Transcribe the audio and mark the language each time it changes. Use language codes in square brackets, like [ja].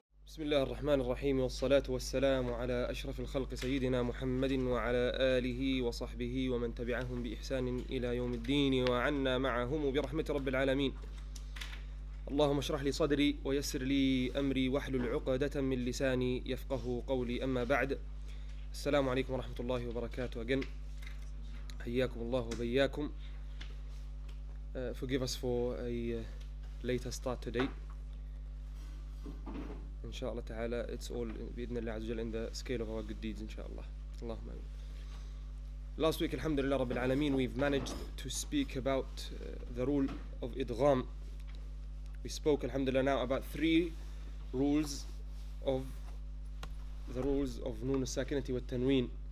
[ar] بسم الله الرحمن الرحيم، والصلاة والسلام على أشرف الخلق سيدنا محمد وعلى آله وصحبه ومن تبعهم بإحسان إلى يوم الدين، وعنا معهم برحمة رب العالمين. اللهم اشرح لي صدري ويسر لي أمري واحلل عقدة من لساني يفقه قولي. أما بعد، السلام عليكم ورحمة الله وبركاته. Again, حياكم الله وبياكم. [en] Forgive us for a later start today. [ar] إن شاء الله تعالى [en] it's all [ar] بإذن الله عز وجل [en] in the scale of our good deeds [ar] إن شاء الله. اللهم آمين. [en] Last week, [ar] الحمد لله رب العالمين, [en] we've managed to speak about the rule of إدغام. We spoke, alhamdulillah, now about three rules of the rules of Nun al-Sakinati wa al-Tanween.